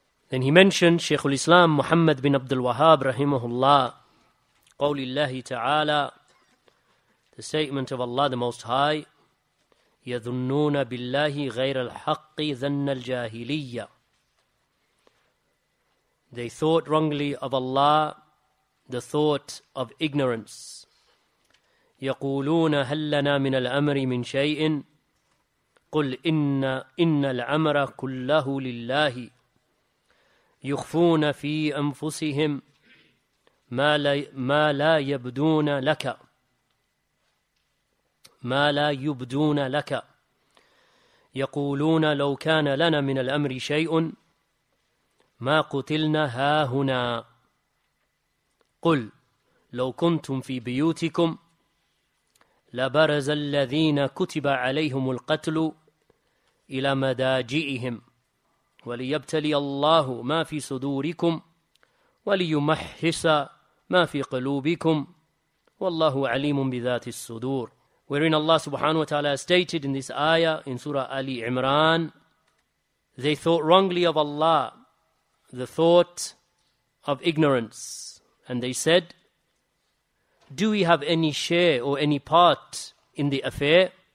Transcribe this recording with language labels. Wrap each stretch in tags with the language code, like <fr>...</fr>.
<en>Then he mentioned Shaykh al-Islam Muhammad bin Abdul Wahhab rahimahullah, qawli Allahi ta'ala, the statement of Allah the Most High,</en> <ar>yadhunnuna billahi ghayra al-haqqi dhanna al-jahiliyyah.</ar> <en>They thought wrongly of Allah, the thought of ignorance.</en> <ar>يقولون هل لنا من الأمر من شيء قل إن الأمر كله لله يخفون في أنفسهم ما لا يبدون لك ما لا يبدون لك يقولون لو كان لنا من الأمر شيء ما قتلنا هاهنا قل لو كنتم في بيوتكم لبرز الذين كتب عليهم القتل إلى مداجئهم وليبتلي الله ما في صدوركم وليمحص ما في قلوبكم والله عليم بذات الصدور.</ar> <en>Wherein Allah subhanahu wa ta'ala stated in this ayah in Surah Ali Imran, they thought wrongly of Allah, the thought of ignorance, and they said, do we have any share or any part in the affair?</en>